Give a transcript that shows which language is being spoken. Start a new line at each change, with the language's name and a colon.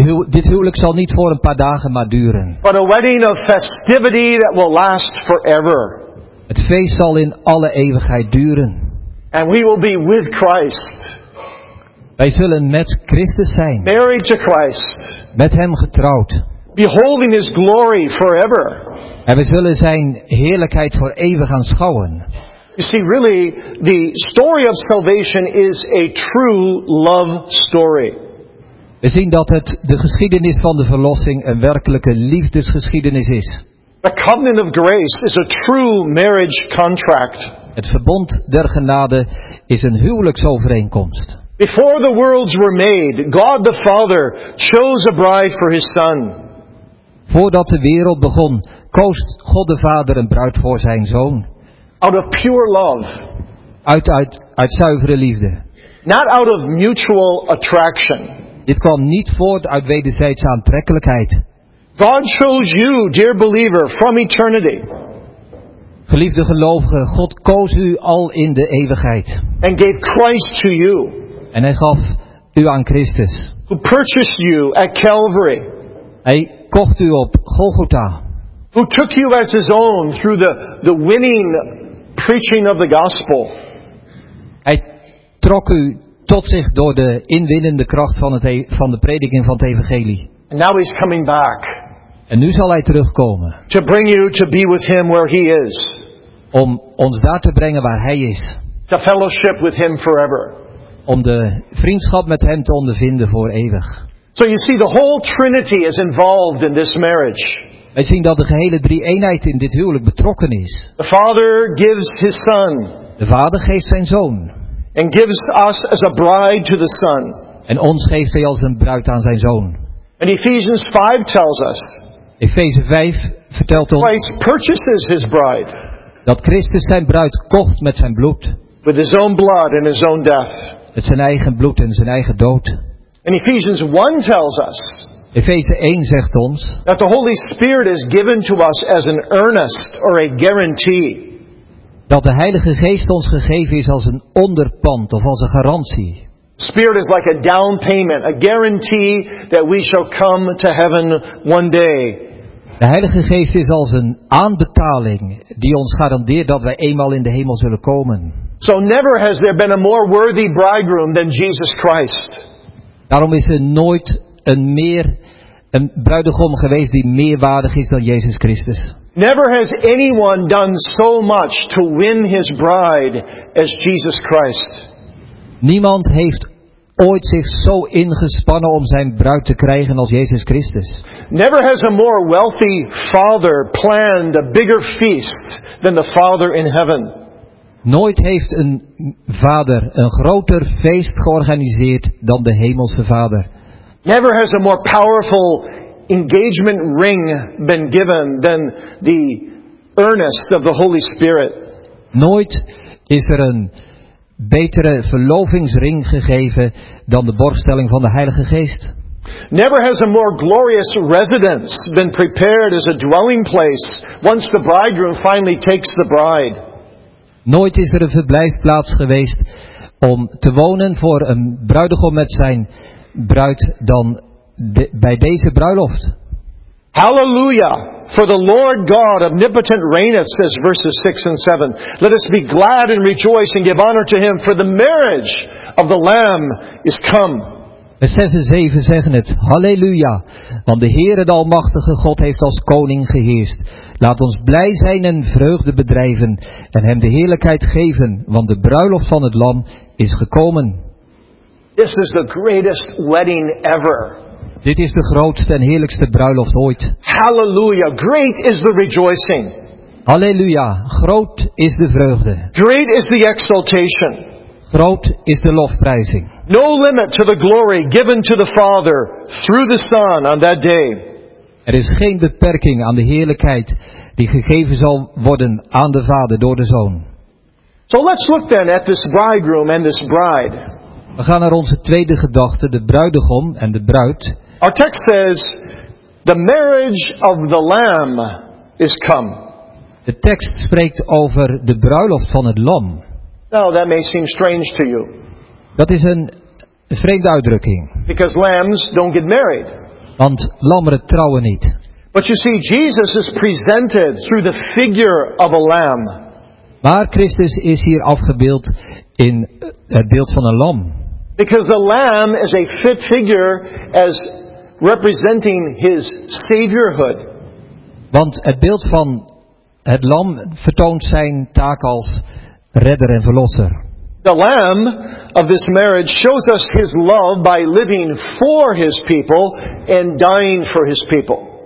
Dutch: Dit huwelijk zal niet voor een paar dagen maar duren.
English: But a wedding of festivity that will last forever.
Dutch: Het feest zal in alle eeuwigheid duren.
English: And we will be with Christ.
Dutch: Wij zullen met Christus zijn.
English: Married to Christ.
Dutch: Met Hem getrouwd.
English: Beholding His glory forever.
Dutch: En we zullen zijn heerlijkheid voor eeuwig aanschouwen.
English: You see, really, the story of salvation is a true love story.
Dutch: We zien dat het de geschiedenis van de verlossing een werkelijke liefdesgeschiedenis is.
English: The covenant of grace is a true marriage contract.
Dutch: Het verbond der genade is een huwelijksovereenkomst.
English: Before the worlds were made, God the Father chose a bride for His Son.
Dutch: Voordat de wereld begon, koos God de Vader een bruid voor zijn Zoon.
English: Out of pure love.
Dutch: Uit zuivere liefde.
English: Not out of mutual attraction.
Dutch: Dit kwam niet voort uit wederzijdse aantrekkelijkheid.
English: God chose you, dear believer, from eternity.
Dutch: Geliefde gelovigen, God koos u al in de eeuwigheid.
English: And gave Christ to you.
Dutch: En Hij gaf u aan Christus.
English: Who purchased you at Calvary.
Dutch: Hij kocht u op Golgotha.
English: Who took you as His own through the winning preaching of the gospel.
Dutch: Hij trok u tot zich door de inwinnende kracht van de prediking van het evangelie.
English: And now He's coming back.
Dutch: En nu zal Hij terugkomen.
English: To bring you to be with Him where He is.
Dutch: Om ons daar te brengen waar Hij is.
English: To fellowship with Him forever.
Dutch: Om de vriendschap met Hem te ondervinden voor eeuwig.
English: So you see, the whole Trinity is involved in this marriage.
Dutch: Wij zien dat de gehele drie-eenheid in dit huwelijk betrokken is.
English: The Father gives His Son.
Dutch: De Vader geeft zijn Zoon.
English: And gives us as a bride to the Son.
Dutch: En ons geeft Hij als een bruid aan zijn Zoon.
English: And Ephesians 5 tells us.
Dutch: Efeze 5 vertelt ons.
English: Christ purchases His bride.
Dutch: Dat Christus zijn bruid kocht met zijn bloed.
English: With His own blood and His own death.
Dutch: Met zijn eigen bloed en zijn eigen dood.
English: And Ephesians 1 tells us.
Dutch: Efeze 1 zegt ons.
English: That the Holy Spirit is given to us as an earnest or a guarantee.
Dutch: Dat de Heilige Geest ons gegeven is als een onderpand of als een garantie.
English: Spirit is like a down payment, a guarantee that we shall come to heaven one day.
Dutch: De Heilige Geest is als een aanbetaling die ons garandeert dat wij eenmaal in de hemel zullen komen.
English: So never has there been a more worthy bridegroom than Jesus Christ.
Dutch: Daarom is er nooit een bruidegom geweest die meer waardig is dan Jezus Christus.
English: Never has anyone done so much to win his bride as Jesus Christ.
Dutch: Niemand heeft ooit zich zo ingespannen om zijn bruid te krijgen als Jezus Christus.
English: Never has a more wealthy father planned a bigger feast than the Father in heaven.
Dutch: Nooit heeft een vader een groter feest georganiseerd dan de hemelse Vader.
English: Never has a more powerful engagement ring been given than the earnest of the Holy Spirit.
Dutch: Nooit is er een betere verlovingsring gegeven dan de borgstelling van de Heilige Geest.
English: Never has a more glorious residence been prepared as a dwelling place once the bridegroom finally takes the bride.
Dutch: Nooit is er een verblijfplaats geweest om te wonen voor een bruidegom met zijn bruid dan bij deze bruiloft.
English: Hallelujah, for the Lord God omnipotent reigneth, says verses 6 and 7. Let us be glad and rejoice and give honor to Him, for the marriage of the Lamb is come.
Dutch: 6 en 7 zeggen het. Halleluja. Want de Heere, de Almachtige God, heeft als koning geheerst. Laat ons blij zijn en vreugde bedrijven en hem de heerlijkheid geven, want de bruiloft van het Lam is gekomen.
English: This is the greatest wedding ever.
Dutch: Dit is de grootste en heerlijkste bruiloft ooit.
English: Halleluja. Great is the rejoicing.
Dutch: Halleluja. Groot is de vreugde.
English: Great is the exaltation.
Dutch: Groot is de lofprijzing.
English: No limit to the glory given to the Father through the Son on that day.
Dutch: Er is geen beperking aan de heerlijkheid die gegeven zal worden aan de Vader door de Zoon.
English: So let's look then at this bridegroom and this bride.
Dutch: We gaan naar onze tweede gedachte, de bruidegom en de bruid.
English: Our text says, the marriage of the Lamb is come.
Dutch: De tekst spreekt over de bruiloft van het Lam.
English: Now that may seem strange to you.
Dutch: Dat is een vreemde uitdrukking.
English: Because lambs don't get married.
Dutch: Want lammeren trouwen niet.
English: But you see, Jesus is presented through the figure of a lamb.
Dutch: Maar Christus is hier afgebeeld in het beeld van een lam.
English: Because the lamb is a fit figure as representing his saviorhood.
Dutch: Want het beeld van het lam vertoont zijn taak als redder en verlosser.
English: The lamb of this marriage shows us his love by living for his people and dying for his people.